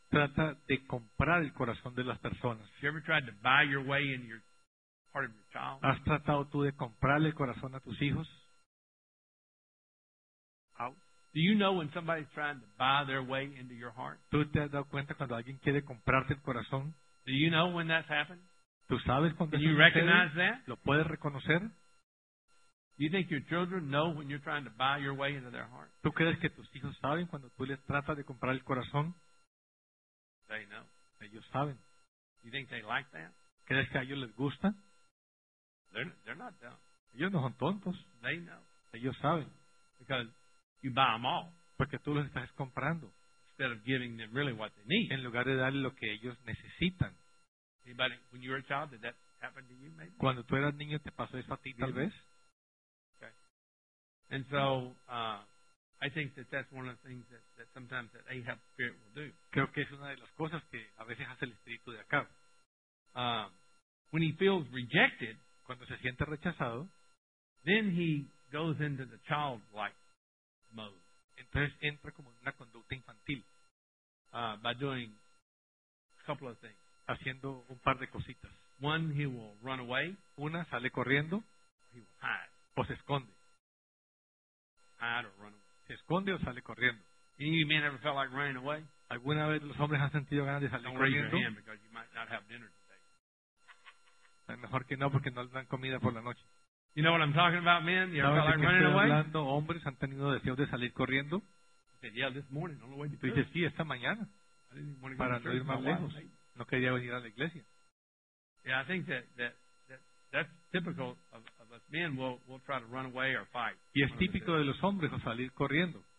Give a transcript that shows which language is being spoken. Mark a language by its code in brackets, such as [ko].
[es] Trata de comprar el corazón de las personas. [en] Have you ever tried to buy your way in your heart of your child? [es] ¿Has tratado tú de comprarle el corazón a tus hijos? [en] Do you know when somebody's trying to buy their way into your heart? [es] ¿Tú te has dado cuenta cuando alguien quiere comprarte el corazón? [en] Do you know when that's happened? [es] ¿Tú sabes cuando eso sucede? [en] Can you recognize that? [es] ¿Lo puedes reconocer? [en] Do you think your children know when you're trying to buy your way into their heart? [es] ¿Tú crees que tus hijos saben cuando tú les tratas de comprar el corazón? [en] They know. [es] Ellos saben. [en] Do you think they like that? [es] ¿Crees que a ellos les gusta? [en] They're not dumb. [es] Ellos no son tontos. [en] They know. [es] Ellos saben. [en] Because you buy them all. [es] Porque tú los estás comprando. [en] Instead of giving them really what they need. [es] En lugar de darle lo que ellos necesitan. [en] Anybody, when you were a child, did that happen to you, maybe? [es] Cuando tú eras niño, ¿te pasó eso a ti, tal vez? [en] And so I think that that's one of the things that sometimes that Ahab's spirit will do. [es] Creo que es una de las cosas que a veces hace el espíritu de Acab. [en] When he feels rejected, [es] cuando se siente rechazado, [en] then he goes into the childlike mode. [es] Entonces entra como en una conducta infantil. [en] By doing a couple of things. [es] Haciendo un par de cositas. [en] One, he will run away. [es] Una, sale corriendo. [en] He will hide. [es] O se esconde. [en] Hide or run away. [es] ¿Se esconde o sale corriendo? [en] Any man ever felt like running away? [es] ¿Alguna vez los hombres han sentido ganas de salir [en] Don't [es] corriendo? [en] Raise your hand because you might not have dinner today. [es] Mejor que no, porque no dan comida por la noche. [en] You know what I'm talking about, men? You ever felt like running [es] hablando, [en] away? [es] ¿Sabes de qué estoy hablando? ¿Hombres han tenido deseos de salir corriendo? [en] Said, yeah, this morning, on the way to [es] church. Dice, sí, esta mañana. Para no ir más lejos. No quería venir a la iglesia. [en] Yeah, I think that's typical of us men, we'll try to run away or fight. [es] Y es típico de los hombres salir corriendo.